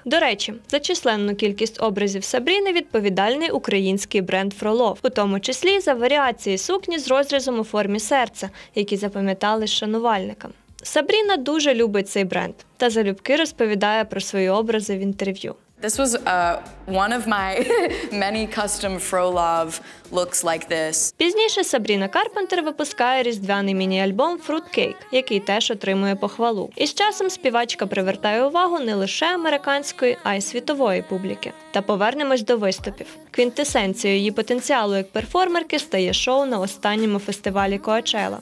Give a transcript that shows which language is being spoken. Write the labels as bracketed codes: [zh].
[uk] До речі, за численну кількість образів Сабріни відповідальний український бренд Фролов, у тому числі за варіації сукні з розрізом у формі серця, які запам'ятали шанувальникам. Сабріна дуже любить цей бренд та залюбки розповідає про свої образи в інтерв'ю. [en] This was one of my many custom Frolov looks like this. [uk] Пізніше Сабріна Карпентер випускає різдвяний міні-альбом Fruitcake, який теж отримує похвалу. І з часом співачка привертає увагу не лише американської, а й світової публіки. Та повернемось до виступів. Квінтесенцією її потенціалу як перформерки стає шоу на останньому фестивалі Коачелла.